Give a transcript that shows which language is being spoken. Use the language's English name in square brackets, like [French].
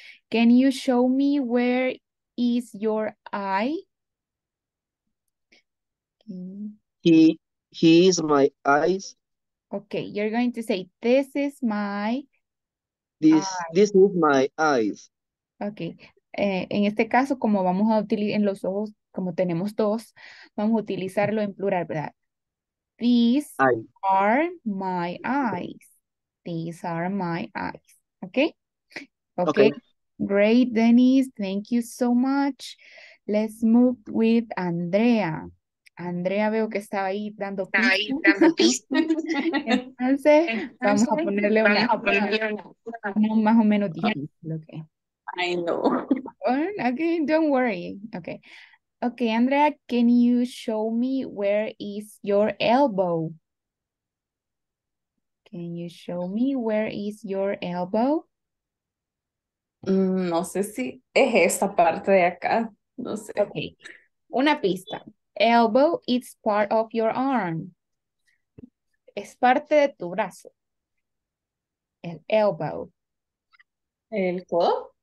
[English] Can you show me where is your eye? He is my eyes. Okay, you're going to say, this is my This is my eyes. [Spanish] Okay, en este caso, como vamos a utilizar en los ojos, como tenemos dos, vamos a utilizarlo en plural, ¿verdad? [English] These eyes. are my eyes. These are my eyes. Okay? Okay. Great, Denise. Thank you so much. Let's move with Andrea. [Spanish] Andrea, veo que estaba ahí dando pista. Entonces, vamos a ponerle una. Más o menos difícil. Okay. [English] I know. Okay, don't worry. Okay. Okay, Andrea, can you show me where is your elbow? Can you show me where is your elbow? [Spanish] No sé si es esta parte de acá. No sé. [English] Okay. [Spanish] Una pista. [English] Elbow, it's part of your arm. [Spanish] Es parte de tu brazo. El elbow. ¿El codo?